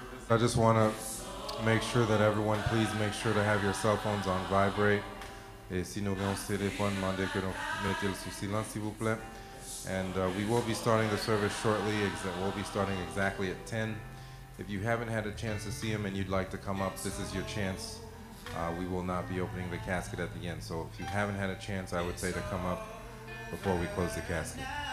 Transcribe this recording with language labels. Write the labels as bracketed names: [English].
[English] I just want to make sure that everyone, please make sure to have your cell phones on vibrate. [French] Et si nous avons téléphone, demandez que nous mettions sur silence, s'il vous plaît. [English] And we will be starting the service shortly. We'll be starting exactly at 10. If you haven't had a chance to see him and you'd like to come up, this is your chance. We will not be opening the casket at the end. So if you haven't had a chance, I would say to come up before we close the casket.